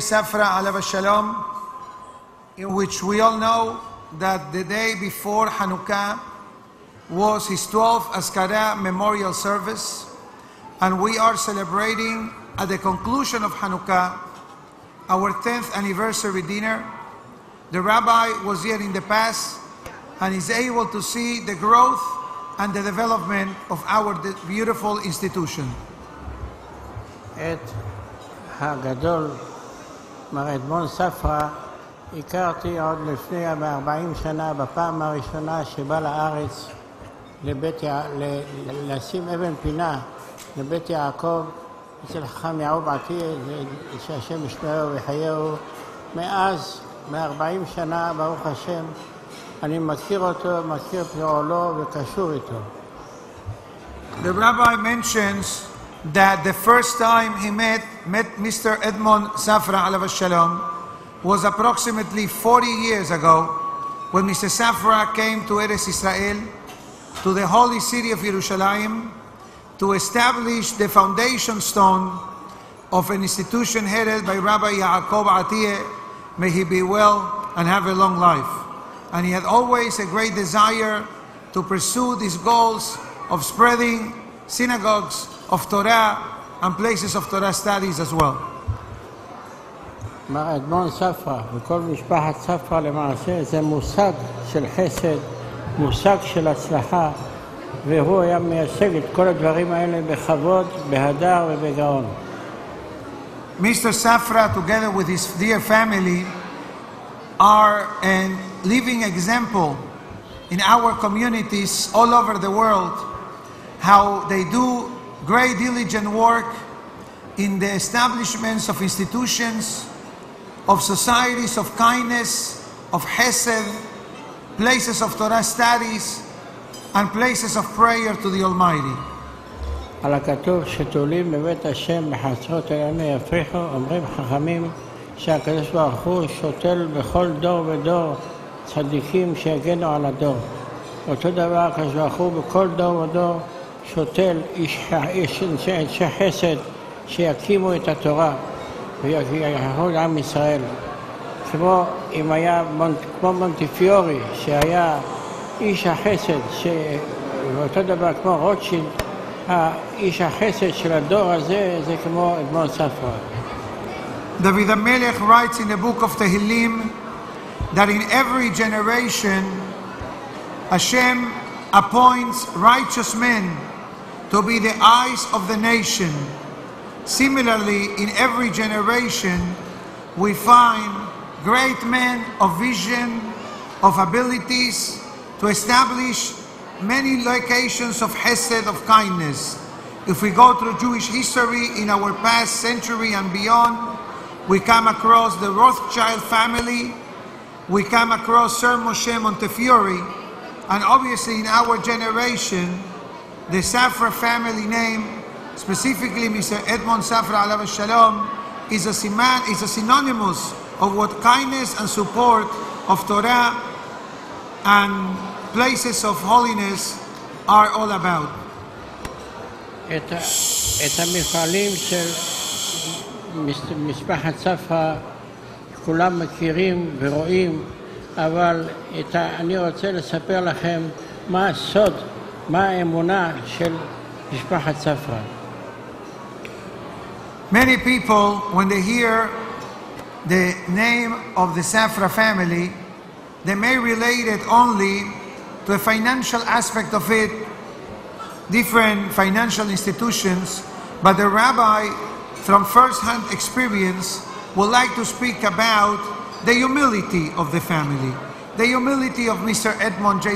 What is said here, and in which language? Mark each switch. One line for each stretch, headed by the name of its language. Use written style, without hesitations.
English: Safra,
Hebrew: עליו השלום,
English: in which we all know that the day before Hanukkah was his 12th Azkara memorial service, and we are celebrating at the conclusion of Hanukkah our 10th anniversary dinner. The rabbi was here in the past and is able to see the growth and the development of our beautiful institution.
Hebrew: At HaGadol, Mar Edmond Safra, הכרתי עוד לפני 40 שנה בפעם הראשונה שבא לארץ לבית לשים אבן פינה לבית יעקב אצל חכם יעוב עתיה שהשם ישמרו וחייהו. מאז, מ-40 שנה, ברוך השם, אני מכיר אותו, מכיר פעולו וקשור איתו.
English: The rabbi mentions that the first time he met Mr. Edmond Safra
Hebrew: עליו השלום
English: was approximately 40 years ago when Mr. Safra came to Eretz Israel, to the holy city of Jerusalem, to establish the foundation stone of an institution headed by Rabbi Yaakov Atiyeh, may he be well and have a long life. And he had always a great desire to pursue these goals of spreading synagogues of Torah and places of Torah studies as well.
Hebrew: מר אדמון ספרה וכל משפחת ספרה למעשה זה מושג של חסד, מושג של הצלחה, והוא היה מייצג את כל הדברים האלה בכבוד, בהדר ובגאון.
English: Mr. Safra, together with his dear family, are a living example in our communities all over the world, how they do great diligent work in the establishments of institutions, of societies of kindness, of chesed, places of Torah studies, and places of prayer to the Almighty.
Hebrew: על הכתוב שתולים בבית השם בחצרות הימי יפריחו, אומרים חכמים שהקדוש ברוך הוא שותל בכל דור ודור צדיקים שיגנו על הדור. אותו דבר הקדוש ברוך הוא בכל דור ודור שותל אנשי חסד שיקימו את התורה ויחו לעם ישראל. כמו אם היה כמו מונטיפיורי שהיה איש החסד, ואותו דבר כמו רוטשילד, האיש החסד של הדור הזה זה כמו אדמון ספרא.
English: דוד המלך writes in the book of Tehillim that in every generation Hashem appoints righteous men to be the eyes of the nation. Similarly, in every generation we find great men of vision, of abilities to establish many locations of chesed, of kindness. If we go through Jewish history in our past century and beyond, we come across the Rothschild family, we come across Sir Moshe Montefiore, and obviously in our generation, the Safra family name, specifically Mr. Edmond Safra, alav shalom, is a synonymous of what kindness and support of Torah and places of holiness are all about.
Hebrew: את המפעלים של משפחת ספרא כולם מכירים ורואים, אבל אני רוצה לספר לכם מה הסוד, מה האמונה של משפחת ספרא.
English: Many people, when they hear the name of the Safra family, they may relate it only to a financial aspect of it, different financial institutions, but the rabbi, from first-hand experience, would like to speak about the humility of the family, the humility of Mr. Edmond J.